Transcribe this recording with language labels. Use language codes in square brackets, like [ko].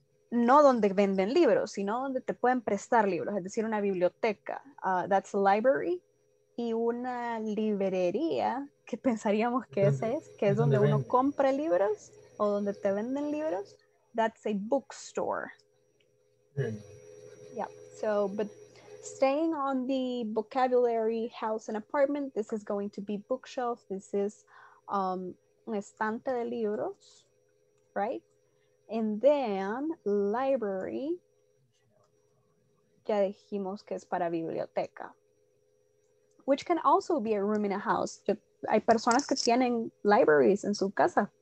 [es] No donde venden libros, sino donde te pueden prestar libros, es decir, una biblioteca. [en] That's a library. [es] Y una librería, que pensaríamos que ese es, que es donde uno compra libros o donde te venden libros. [en] That's a bookstore. Yeah. Yeah. So, but staying on the vocabulary house and apartment, this is going to be bookshelf. This is [es] un estante de libros, right? [en] And then library, [es] ya dijimos que es para biblioteca. [en] Which can also be a room in a house. [es] Hay personas que tienen libraries en su casa.